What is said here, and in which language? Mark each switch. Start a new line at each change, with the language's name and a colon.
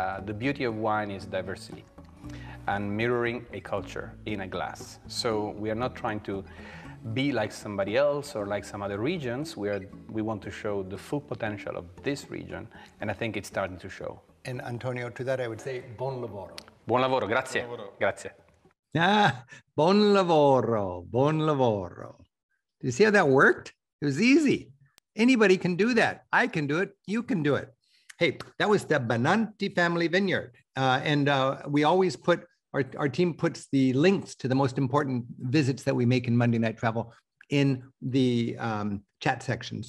English: The beauty of wine is diversity and mirroring a culture in a glass. So we are not trying to be like somebody else or like some other regions. We want to show the full potential of this region, and I think it's starting to show. And Antonio, to that I would say
Italian: buon lavoro. Buon lavoro, grazie. Buon lavoro. Grazie. Ah, buon lavoro, buon lavoro.
English: Do you see how that worked? It was easy. Anybody can do that. I can do it, you can do it. Hey, that was the Benanti family vineyard. We always put, our team puts the links to the most important visits that we make in Monday Night Travel in the chat section.